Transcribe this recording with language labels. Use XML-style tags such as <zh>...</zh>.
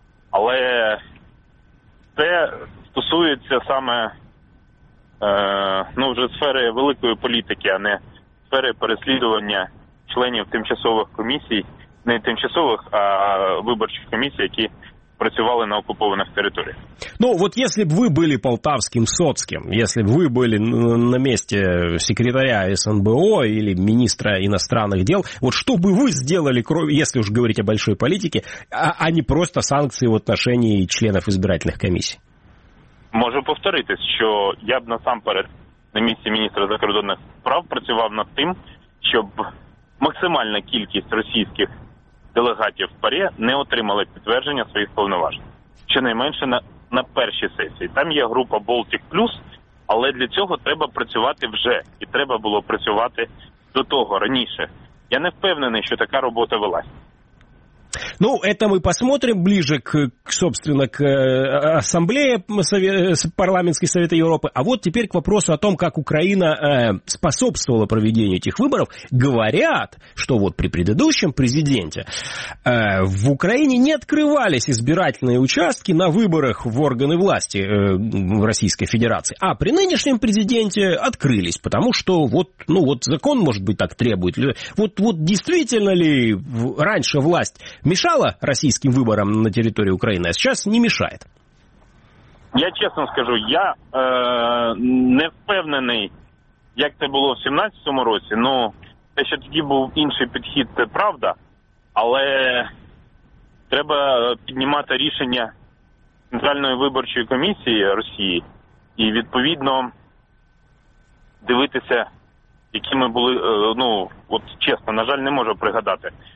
<uk>Але це стосується саме вже сфери великої політики, а не сфери переслідування членів тимчасових комісій, не тимчасових, а виборчих комісій, які працювали на окупованих територіях.</uk> <ru>Ну, вот если бы вы были полтавским соцким, если бы вы были на месте секретаря СНБО или министра иностранных дел, вот что бы вы сделали, если уж говорить о большой политике, а не просто санкции в отношении членов избирательных комиссий?</ru> <uk>Можу повторитись, що я б насамперед на місці міністра закордонних справ працював над тим, щоб максимальна кількість російських делегатів в ПАРЄ не отримали підтвердження своїх повноважень. Щонайменше на першій сесії. Там є група Baltic Plus, але для цього треба працювати вже. І треба було працювати до того, раніше. Я не впевнений, що така робота велася.</uk> <ru>Ну, это мы посмотрим ближе к ассамблее парламентской Совета Европы. А вот теперь к вопросу о том, как Украина способствовала проведению этих выборов. Говорят, что вот при предыдущем президенте в Украине не открывались избирательные участки на выборах в органы власти в Российской Федерации. А при нынешнем президенте открылись, потому что закон, может быть, так требует. Вот действительно ли раньше власть мешало российским выборам на территории Украины, а сейчас не мешает? Я честно скажу,</ru> <uk>я не впевнений, як це було в 17-му році, ну, те, що тоді був інший підхід, це правда, але треба піднімати рішення Центральної виборчої комісії Росії і, відповідно, дивитися, які ми були, чесно, на жаль, не можу пригадати.</uk>